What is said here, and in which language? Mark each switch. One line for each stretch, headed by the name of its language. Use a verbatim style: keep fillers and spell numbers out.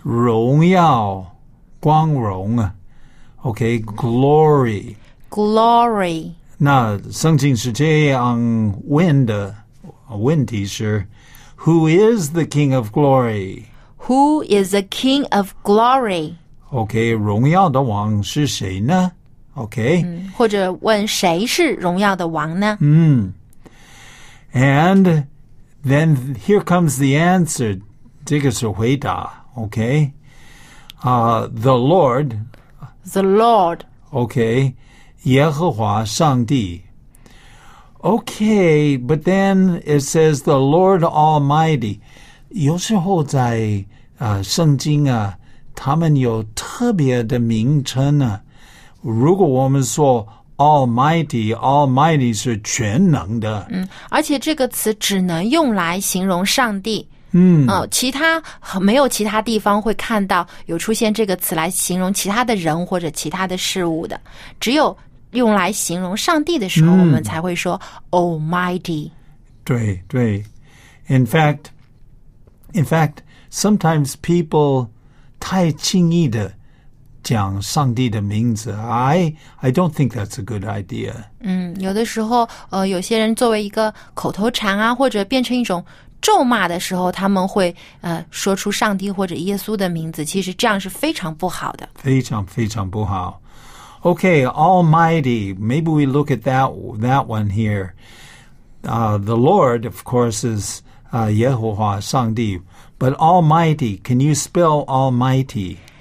Chinese: 荣耀，光荣。
English: Okay, glory. Glory.
Chinese: 那圣经是这样问的，问题是
English: Who is the King of Glory? Who is the King of Glory?
Chinese: Okay, 荣耀的王是谁呢？
English: Okay.、
Chinese: 嗯、或者问谁是荣耀的王呢？嗯。
English: And then here comes the answer.
Chinese: 这个是回答 okay. Uh, the Lord.
English: The Lord.
Chinese: Okay. 耶和华上帝。
English: Okay, but then it says the Lord Almighty.
Chinese: 有时候在、呃、圣经啊，他们有特别的名称啊。如果我们说 Almighty, Almighty 是全能的。嗯，而且这个词只能用来形容上帝。嗯、哦，其他没有其他地方会看到有出现这个词来形容其他的人或者其他的事物的，只有用来形容上帝的时候，嗯、我们才会说 Almighty。
English: 对对 ，In fact, in fact, sometimes people
Chinese: 太轻易的讲上帝的名字
English: I, I don't think that's a good idea.
Chinese: 嗯，有的时候，呃，有些人作为一个口头禅啊，或者变成一种咒骂的时候，他们会呃说出上帝或者耶稣的名字，其实这样是非常不好的，非常非常不好。Okay, Almighty.
English: Maybe we look at that that one here. Uh, the Lord, of course, is uh, 耶和华上帝，but Almighty. Can you spell Almighty?